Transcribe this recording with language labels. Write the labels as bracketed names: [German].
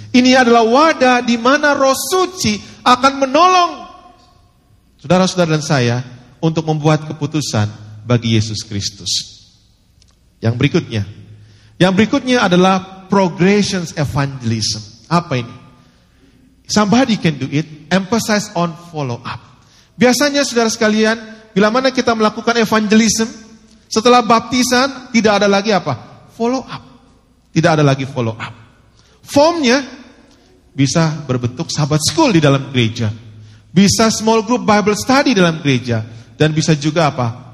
[Indonesian] Ini adalah wadah di mana Roh Suci akan menolong saudara-saudara dan saya untuk membuat keputusan bagi Yesus Kristus. Yang berikutnya adalah progressions evangelism. Apa ini? [English] Somebody can do it, emphasize on follow up. [Indonesian] Biasanya saudara sekalian, bila mana kita melakukan evangelism, setelah baptisan tidak ada lagi apa? Follow up. Tidak ada lagi follow up. Formnya bisa berbentuk sahabat school di dalam gereja. Bisa [English] small group Bible study [Indonesian] dalam gereja. Dan bisa juga apa?